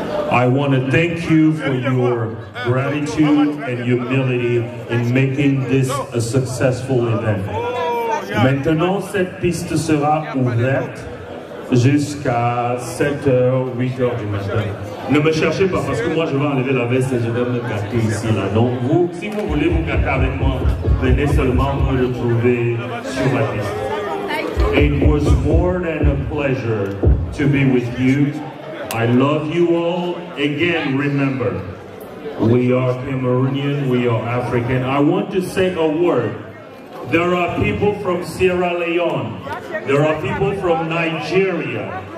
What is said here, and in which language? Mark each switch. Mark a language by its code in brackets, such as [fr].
[en] I want to thank you for your gratitude and humility in making this a successful event. [fr] Maintenant, cette piste sera ouverte jusqu'à 7h, 8h du matin. Ne me cherchez pas parce que moi je vais enlever la veste et je vais me gâter ici là. Donc vous, si vous voulez vous gâter avec moi, venez seulement me retrouver sur la piste. [en] It was more than a pleasure to be with you. I love you all. Again, remember, we are Cameroonian, we are African. I want to say a word. There are people from Sierra Leone. There are people from Nigeria.